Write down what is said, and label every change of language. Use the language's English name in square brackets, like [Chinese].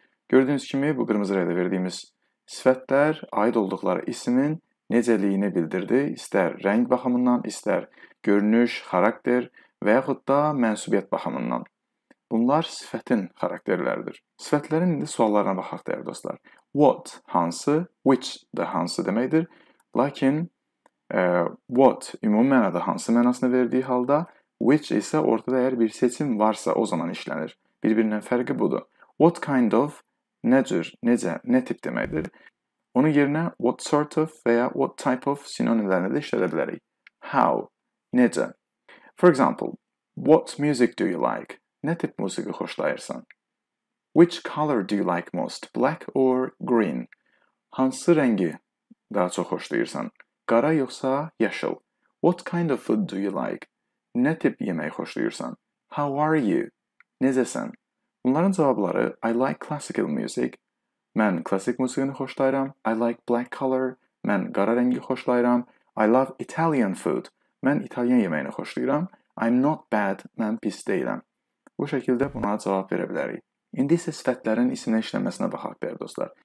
[Azerbaijani] Gördüğünüz kimi bu kırmızı renkli verdiğimiz sifətlər aid oldukları ismin necəliyini bildirdi. İstər rəng baxımından, istər görünüş, xarakter və yaxud da mənsubiyyət baxımından. Bunlar sifətin xarakterləridir. Sifətlərin indi suallarına baxaq, dəyər dostlar. What, hansı, which də hansı deməkdir. Lakin, what, ümumi mənada hansı mənasını verdiyi halda, which isə ortada əgər bir seçim varsa o zaman işlənir. Bir-birindən fərqi budur. What kind of, nə cür, necə, nə tip deməkdir. Onun yerinə what sort of və ya what type of sinonimlərini də işlədə bilərik. How, necə. [English] For example, what music do you like? [Azerbaijani] Nə tip musiqi xoşlayırsan? [English] Which color do you like most, black or green? [Azerbaijani] Hansı rəngi daha çox xoşlayırsan? Qara yoxsa yaşıl? [English] What kind of food do you like? [Azerbaijani] Nə tip yemək xoşlayırsan? [English] How are you? [Azerbaijani] Necəsən? Bunların cavabları [English] I like classical music. [Azerbaijani] Mən klasik musiqini xoşlayıram. [English] I like black color. [Azerbaijani] Mən qara rəngi xoşlayıram. [English] I love Italian food. [Azerbaijani] Mən İtalyan yeməyini xoşlayıram. [English] I'm not bad. [Azerbaijani] Mən pis deyiləm. Bu şəkildə buna cavab verə bilərik. İndi isə sifətlərin isimlə işlənməsinə baxaq, dəyər dostlar.